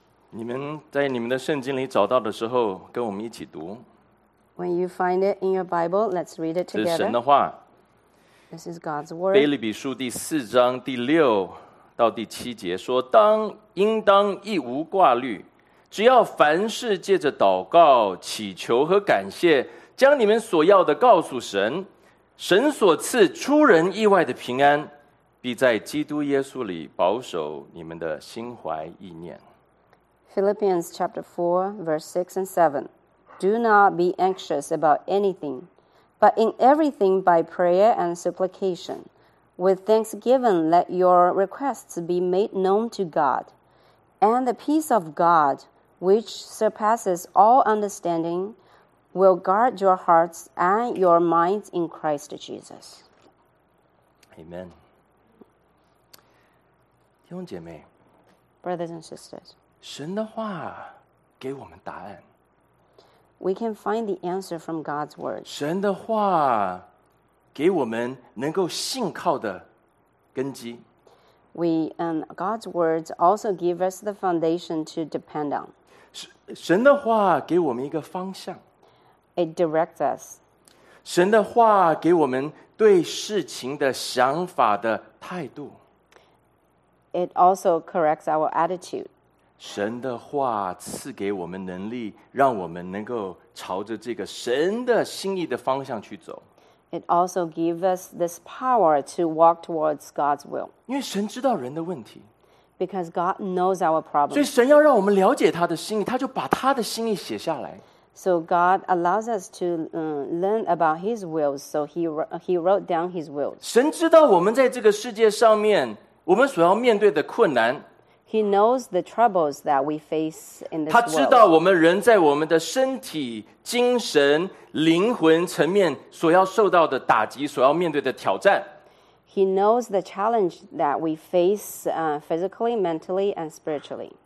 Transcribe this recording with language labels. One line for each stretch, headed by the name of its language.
Chinese: 你们在你们的圣经里找到的时候，跟我们一起读。
English: When you find it in your Bible, let's read it together.
Chinese: 这是神的话。
English: This is God's word.
Chinese: 腓立比书第四章第六到第七节说，当应当一无挂虑，只要凡事借着祷告祈求和感谢将你们所要的告诉神，神所赐出人意外的平安，必在基督耶稣里保守你们的心怀意念。
English: Philippians chapter 4, verse 6 and 7. Do not be anxious about anything, but in everything by prayer and supplication, with thanksgiving let your requests be made known to God. And the peace of God, which surpasses all understanding, will guard your hearts and your minds in Christ Jesus. Amen.
Chinese: 弟兄姐妹，
English: Brothers and sisters,
Chinese: 神的话给我们答案。
English: We can find the answer from God's word.
Chinese: 神的话给我们能够信靠的根基。
English: God's words also give us the foundation to depend on.
Chinese: 神的话给我们一个方向。
English: It directs us.
Chinese: 神的话给我们对事情的想法的态度。
English: It also corrects our attitude.
Chinese: 神的话赐给我们能力，让我们能够朝着这个神的心意的方向去走。
English: It also gives us this power to walk towards God's will.
Chinese: 因为神知道人的问题。
English: Because God knows our problem.
Chinese: 所以神要让我们了解他的心意，他就把他的心意写下来。
English: So God allows us to learn about His will, so He wrote down His will.
Chinese: 神知道我们在这个世界上面，我们所要面对的困难。
English: He knows the troubles that we face in this world.
Chinese: 他知道我们人在我们的身体、精神、灵魂层面所要受到的打击，所要面对的挑战。
English: He knows the challenge that we face physically, mentally, and spiritually.